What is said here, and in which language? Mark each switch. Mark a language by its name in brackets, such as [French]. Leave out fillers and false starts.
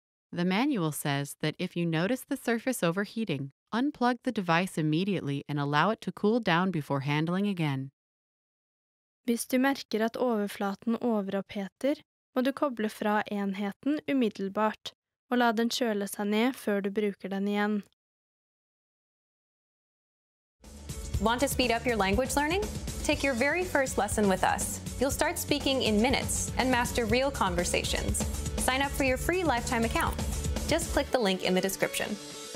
[English] The manual says that if you notice the surface overheating, unplug the device immediately and allow it to cool down before handling again. [Norwegian] Hvis du merker at overflaten overoppheter, må du koble fra enheten umiddelbart og la den kjøle seg ned før du bruker den igjen. [English] Want to speed up your language learning? Take your very first lesson with us. You'll start speaking in minutes and master real conversations. Sign up for your free lifetime account. Just click the link in the description.